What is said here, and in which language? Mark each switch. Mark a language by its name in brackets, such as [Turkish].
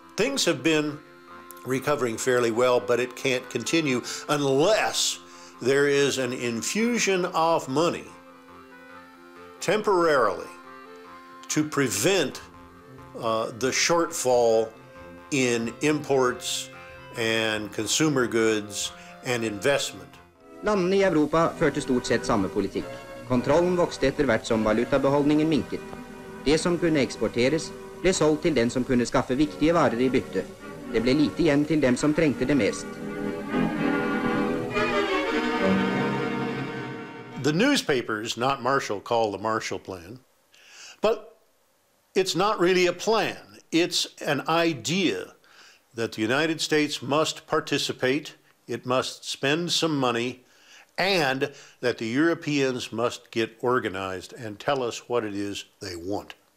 [English] Things have been recovering fairly well, but it can't continue unless there is an infusion of money temporarily to prevent the shortfall in imports and consumer goods and investment. [Norwegian] Landene i Europa førte stort sett samme politikk. Kontrollen vokste etter hvert som valutabeholdningen minket. Det som kunne eksporteres ble solgt til den som kunne skaffe viktige varer i bytte. Det ble lite igjen til dem som trengte det mest. [English] The newspapers, not Marshall, call the Marshallplan, but it's not really a plan. It's an idea that the United States must participate, it must spend some money, and that the Europeans must get organized and tell us what it is they want.